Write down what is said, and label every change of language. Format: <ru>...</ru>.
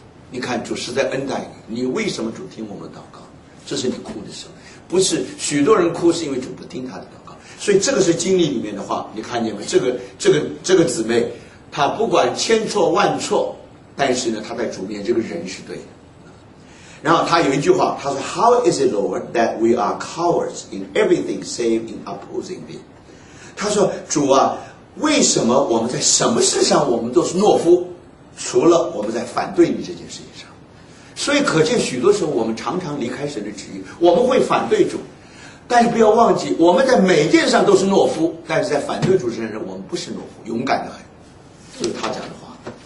<zh>你看主实在恩待你，你为什么主听我们祷告？这是你哭的时候，不是许多人哭是因为主不听他的祷告。所以这个是经历里面的话，你看见吗？这个姊妹，她不管千错万错，但是呢，她在主面这个人是对的。然后他有一句话，他说</zh> <en>How is it, Lord, that we are cowards in everything save in opposing thee?</en> <zh>他说主啊，为什么我们在什么事上我们都是懦夫，除了我们在反对你这件事情上。所以可见许多时候我们常常离开神的旨意，我们会反对主，但是不要忘记我们在每件上都是懦夫，但是在反对主身上我们不是懦夫，勇敢的很。这是他讲的话。</zh>